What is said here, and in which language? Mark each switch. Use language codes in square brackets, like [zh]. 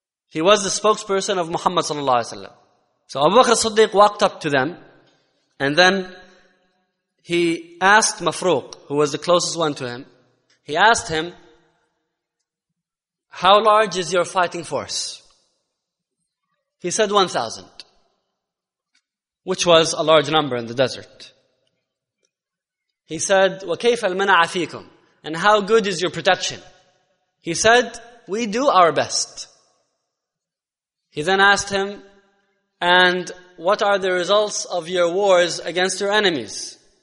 [en] He was the spokesperson of Muhammad sallallahu alayhi wa sallam. So Abu Bakr al-Siddiq walked up to them, and then he asked Mafruq, who was the closest one to him, he asked him, how large is your fighting force? He said 1,000, which was a large number in the desert. [ar] He said, وَكَيْفَ الْمَنَعَ فِيكُمْ? [en] And how good is your protection? He said, we do our best. He then asked him, and what are the results of your wars against your enemies?